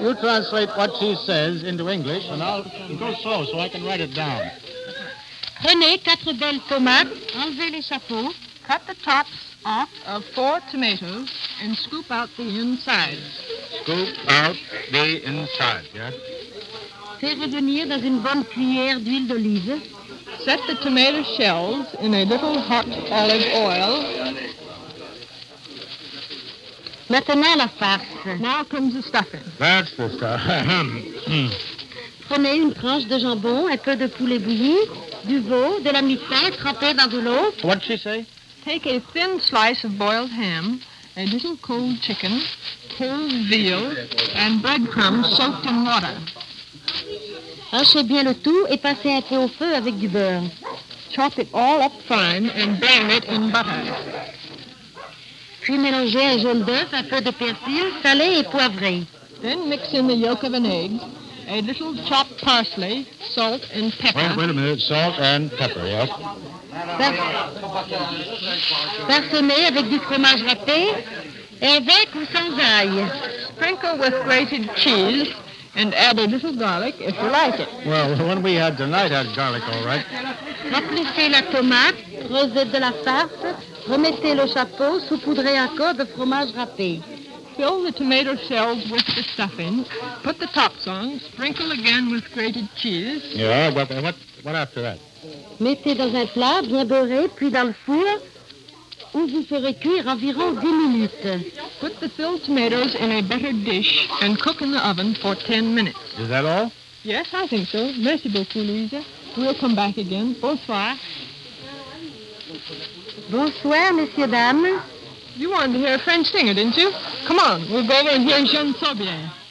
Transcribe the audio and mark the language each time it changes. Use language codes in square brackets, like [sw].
[en] You translate what she says into English, and I'll go slow so I can write it down. [fr] Prenez quatre belles tomates. Enlevez les chapeaux. [en] Cut the tops off of four tomatoes and scoop out the insides. Scoop out the inside, yeah? [fr] Faire revenir dans une bonne cuillère d'huile d'olive. [en] Set the tomato shells in a little hot olive oil. [fr] Maintenant la farce. [en] Now comes the stuffing. That's the stuff. [fr] Prenez une tranche de jambon, un peu de poulet bouilli, du veau, de la mitaine, trempé dans de l'eau. [en] What'd she say? Take a thin slice of boiled ham, a little cold chicken, cold veal, and breadcrumbs soaked in water. [fr] Hachez bien le tout et passez un peu au feu avec du beurre. [en] Chop it all up fine and brown it in butter. [fr] Puis mélangez un jaune d'œuf, un peu de persil, salé et poivré. [en] Then mix in the yolk of an egg, a little chopped parsley, salt, and pepper. Wait a minute. Salt and pepper, yes. [fr] Parsemé avec du fromage râpé, avec ou sans ail. [en] Sprinkle with grated cheese and add a little garlic if you like it. Well, the one we had tonight had garlic, all right. [fr] Remplissez la tomate, rosez de la farce, remettez le chapeau, saupoudrez encore de fromage râpé. [en] Fill the tomato shells with the stuffing. Put the tops on. Sprinkle again with grated cheese. Yeah, what after that? [fr] Mettez dans un plat bien beurré, puis dans le four, où vous ferez cuire environ 10 minutes. [en] Put the filled tomatoes in a buttered dish and cook in the oven for 10 minutes. Is that all? Yes, I think so. [fr] Merci beaucoup, [en] Louisa. We'll come back again. [fr] Bonsoir. Bonsoir, messieurs, dames. [en] You wanted to hear a French singer, didn't you? Come on, we'll go over and hear Jean Sauvier.